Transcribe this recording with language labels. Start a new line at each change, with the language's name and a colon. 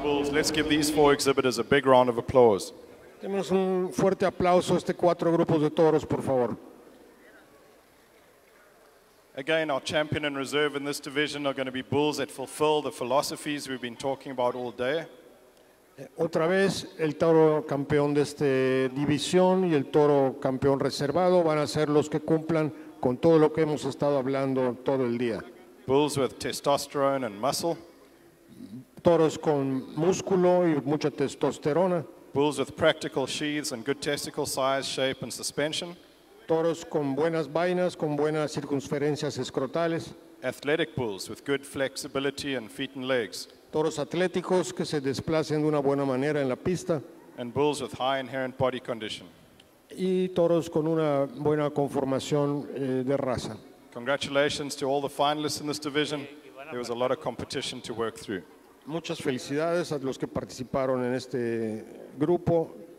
English: Let's give these four exhibitors a big round of applause.
Spanish: Demos un fuerte aplauso a este cuatro grupos de toros, por favor.
English: Again, our champion and reserve in this division are going to be bulls that fulfill the philosophies we've been talking about all day.
Spanish: Otra vez, el toro campeón de esta división y el toro campeón reservado van a ser los que cumplan con todo lo que hemos estado hablando todo el día.
English: Bulls with testosterone and muscle.
Spanish: Toros con músculo y mucha testosterona.
English: Bulls with practical sheaths and good testicle size, shape and suspension.
Spanish: Toros con buenas vainas, con buenas circunferencias escrotales.
English: Athletic bulls with good flexibility and feet and legs.
Spanish: Toros atléticos que se desplacen de una buena manera en la pista.
English: And bulls with high inherent body condition.
Spanish: Y toros con una buena conformación de raza.
English: Congratulations to all the finalists in this division. There was a lot of competition to work through.
Spanish: Muchas felicidades a los que participaron en este grupo.